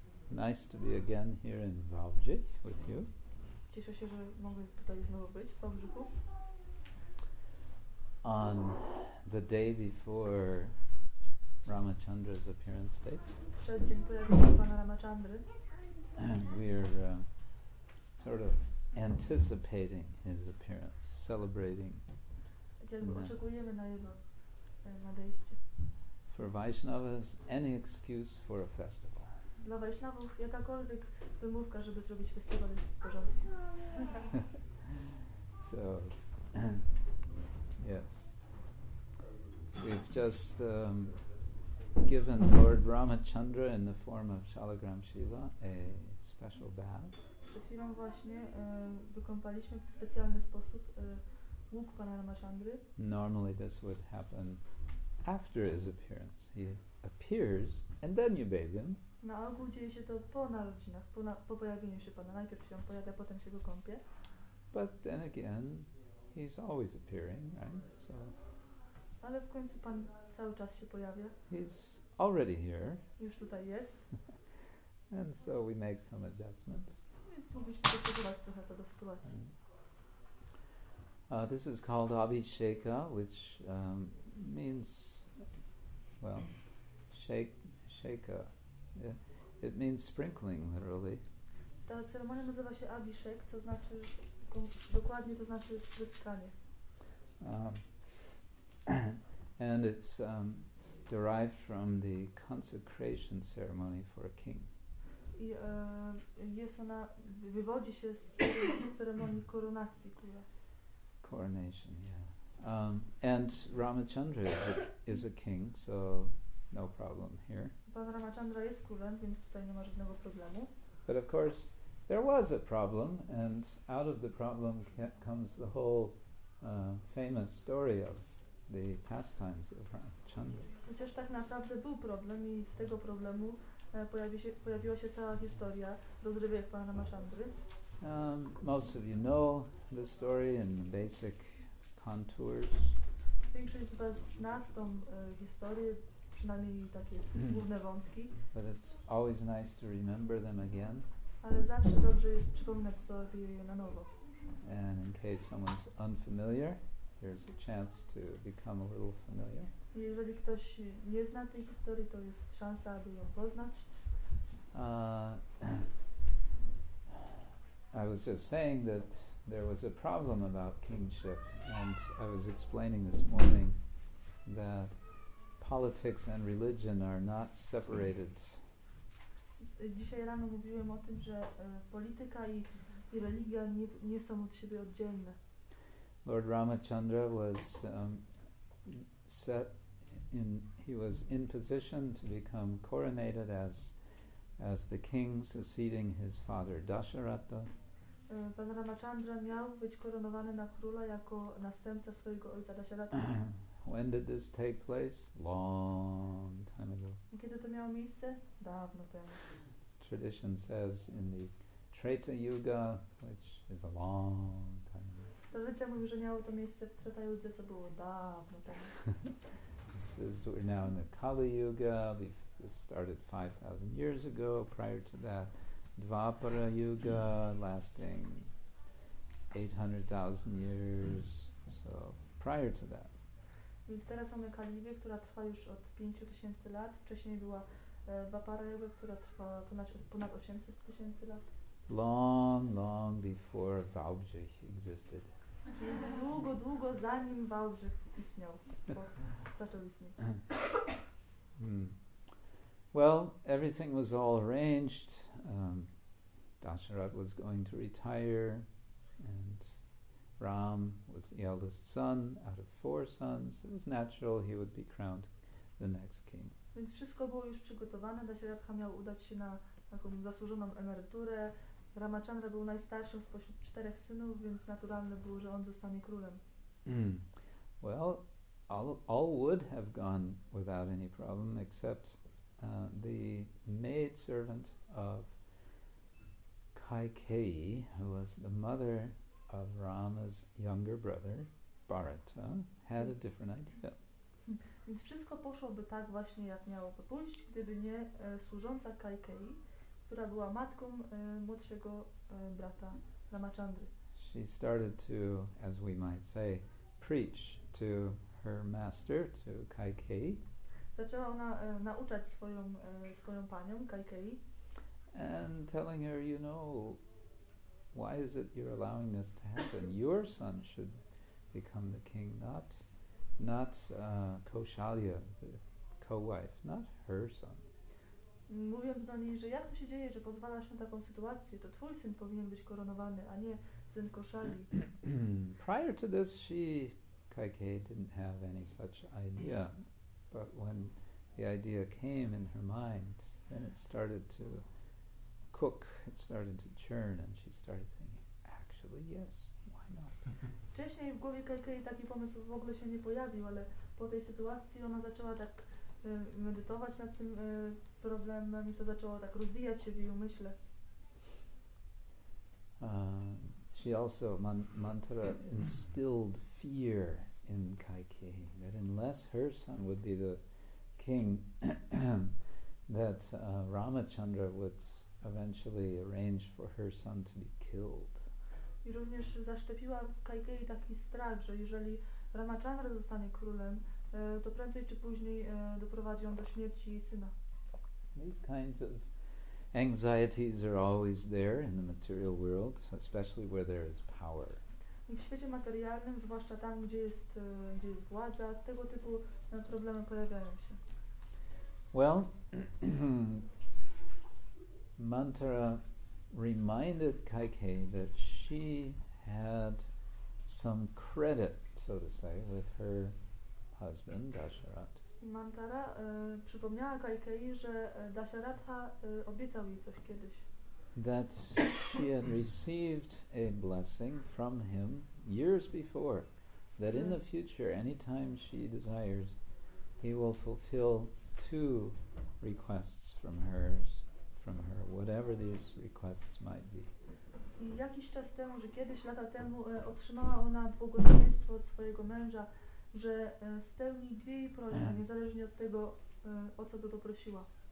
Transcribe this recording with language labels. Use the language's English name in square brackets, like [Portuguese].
[English] Nice to be again here in Wałbrzych with you. [Polish] Cieszę się, że mogę tutaj znowu być w Wałbrzychu. [English] On the day before Ramachandra's appearance date. [Polish] Przed dzień pojawienia pana Ramachandry. [English] We're sort of anticipating his appearance, celebrating. [Polish] Oczekujemy na jego nadejście. [English] For Vaishnavas, any excuse for a festival. [Polish] Dla Vaishnavów jakakolwiek wymówka, żeby zrobić festiwal, jest w porządku. [English] So, yes. We've just given Lord Ramachandra in the form of Shalagram Shiva a special bath. [Polish] Przed chwilą właśnie wykąpaliśmy w specjalny sposób łuk pana Ramachandry. [English] Normally this would happen after his appearance. He appears and then you bathe him. [Polish] Na ogół dzieje się to po narodzinach, po pojawieniu się Pana. Najpierw się on pojawia, potem się go kąpie. [English] But then again, he's always appearing, right? So [Polish] ale w końcu Pan cały czas się pojawia. [English] He's already here. [Polish] Już tutaj jest. [English] And so we make some adjustments. [Polish] Więc mogliśmy dostosować trochę to do sytuacji. [English] This is called Abhisheka, which means, well, Sheka. It means sprinkling, literally. [Polish] Ta ceremonia nazywa się Abhishek, co znaczy dokładnie to znaczy spryskanie. [English] And it's derived from the consecration ceremony for a king. [Polish] I jest ona wywodzi się z ceremonii koronacji króla. [English] Coronation, yeah. And Ramachandra is a king, so no problem here. [Polish] Pan Ramachandra jest królem, więc tutaj nie ma żadnego problemu. [English] But of course, there was a problem, and out of the problem comes the whole famous story of the pastimes of Ramachandra. [Polish] Chociaż tak naprawdę był problem i z tego problemu pojawiła się cała historia rozrywek pana Ramachandry. [English] Most of you know the story in the basic contours. [Polish] Większość z was zna tą historię. Przynajmniej takie główne wątki. [English] But it's always nice to remember them again. [Polish] Ale zawsze dobrze jest przypominać sobie je na nowo. [English] And in case someone's unfamiliar, here's a chance to become a little familiar. [Polish] Jeżeli ktoś nie zna tej historii, to jest szansa, aby ją poznać. [English] I was just saying that there was a problem about kingship, and I was explaining this morning that politics and religion are not separated. [Polish] Dzisiaj rano mówiłem o tym, że polityka i religia nie są od siebie oddzielne. [English] Lord Ramachandra was set in, he was in position to become coronated as the king succeeding his father Dasharatha. [Polish] Pan Ramachandra miał być koronowany na króla jako następca swojego ojca Dasharatha. [English] When did this take place? Long time ago. [Polish] Kiedy to miało miejsce? Dawno temu. [English] Tradition says in the Treta Yuga, which is a long time ago. [Polish] Tradycja mówi, że miało to miejsce w Treta Yudze, co było dawno temu. [English] This is, we're now in the Kali Yuga. This started 5,000 years ago. Prior to that, Dvapara Yuga, lasting 800,000 years. So, prior to that. [Polish] Więc teraz mamy Kali Yugę, która trwa już od 5000 lat. Wcześniej była Dvapara Yuga, która trwała ponad 800,000 lat. [English] Long, long before Wałbrzych existed. [Polish] Czyli długo, długo zanim Wałbrzych istniał, zaczął istnieć. [English] Well, everything was all arranged. Dasharath was going to retire and Ram was the eldest son out of four sons. It was natural he would be crowned the next king. [Polish] Więc wszystko było już przygotowane. Dasharatha miał udać się na taką zasłużoną emeryturę. Ramachandra był najstarszym spośród czterech synów, więc naturalne było, że on zostanie królem. [English] Well, all would have gone without any problem except the maid servant of Kaikeyi, who was the mother of Rama's younger brother, Bharata, had a different idea. [Polish] Więc wszystko poszłoby tak właśnie, jak miałoby pójść, gdyby nie służąca Kaikeyi, która była matką młodszego brata Ramachandry. [English] She started to, as we might say, preach to her master, to Kaikeyi. [Polish] Zaczęła ona nauczać swoją panią, Kaikeyi. [English] And telling her, you know, why is it you're allowing this to happen? Your son should become the king, not Kaushalya, the co-wife, not her son. [Polish] Mówiąc do niej, że jak to się dzieje, że pozwalasz na taką sytuację, to twój syn powinien być koronowany, a nie syn Kaushali. [English] Prior to this, she, Kaikeyi, didn't have any such idea. But when the idea came in her mind, then it started to cook, it started to churn, and she started thinking, actually, yes, why not? [Polish] Wcześniej w głowie Kaikeyi taki pomysł w ogóle się nie pojawił, ale po tej sytuacji ona zaczęła tak medytować nad tym problemem i to zaczęło tak rozwijać się w jej umyśle. [English] She also, mantra instilled fear in Kaikeyi, that unless her son would be the king, that Ramachandra would eventually arrange for her son to be killed. [Polish] I również zaszczepiła w Kaikeyi taki strach, że jeżeli Ramachandra zostanie królem, to prędzej czy później doprowadzi on do śmierci jej syna. [English] These kinds of anxieties are always there in the material world, especially where there is power. [Polish] I w świecie materialnym, zwłaszcza tam, gdzie jest władza, tego typu problemy pojawiają się. [English] Well, Mantara reminded Kaikeyi that she had some credit, so to say, with her husband Dasharatha. [Polish] Mantara przypomniała Kaikeyi, że Dasharatha obiecał jej coś kiedyś. [English] That she had received a blessing from him years before, that in the future, any time she desires, he will fulfill two requests from hers, from her, whatever these requests might be. [Polish] I jakiś czas temu, że kiedyś lata temu otrzymała ona błogosławieństwo od swojego męża, że spełni dwie jej prośby, niezależnie od tego, o co by poprosiła.